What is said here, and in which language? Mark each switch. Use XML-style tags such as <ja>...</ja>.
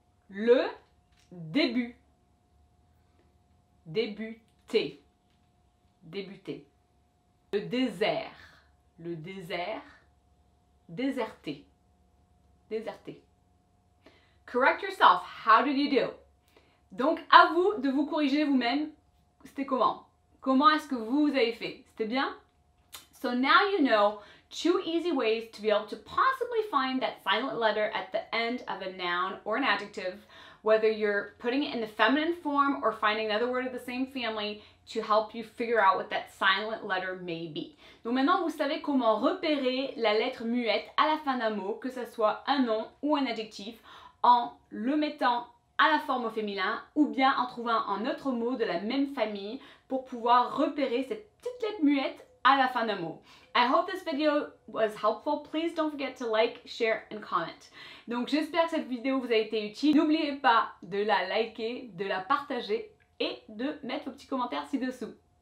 <fr>Le début. Débuter. Débuter. Le désert. Le désert. Déserter. Déserter.</fr> <en>Correct yourself. How did you do?</en> <fr>Donc, à vous de vous corriger vous-même. C'était comment? Comment est-ce que vous avez fait? C'était bien?</fr> <en>So now you know two easy ways to be able to possibly find that silent letter at the end of a noun or an adjective, whether you're putting it in the feminine form or finding another word of the same family to help you figure out what that silent letter may be.</en> <fr>Donc maintenant, vous savez comment repérer la lettre muette à la fin d'un mot, que ce soit un nom ou un adjectif, en le mettant à la forme au féminin ou bien en trouvant un autre mot de la même famille pour pouvoir repérer cette petite lettre muette à la fin d'un mot.</fr> <en>I hope this video was helpful. Please don't forget to like, share and comment.</en> <fr>Donc j'espère que cette vidéo vous a été utile. N'oubliez pas de la liker, de la partager et de mettre vos petits commentaires ci-dessous.</fr>